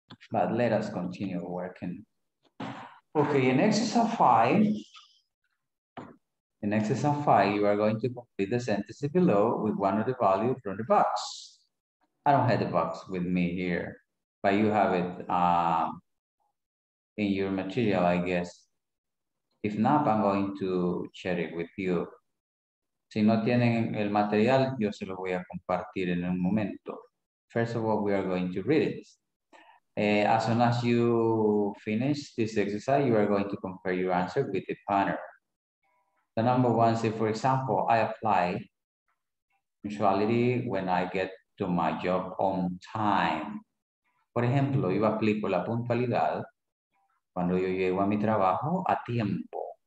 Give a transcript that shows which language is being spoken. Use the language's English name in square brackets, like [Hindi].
[English] But let us continue working. Okay, in exercise five, in exercise five, you are going to complete the sentence below with one of the values from the box. I don't have the box with me here, but you have it in your material, I guess. If not, I'm going to share it with you. [Spanish] Si no tienen el material, yo se lo voy a compartir en un momento. [English] First of all, we are going to read it. As soon as you finish this exercise, you are going to compare your answer with the partner. The number one, say, for example, I apply punctuality when I get to my job on time. [Spanish] Por ejemplo, yo aplico la puntualidad cuando yo llego a mi trabajo a tiempo.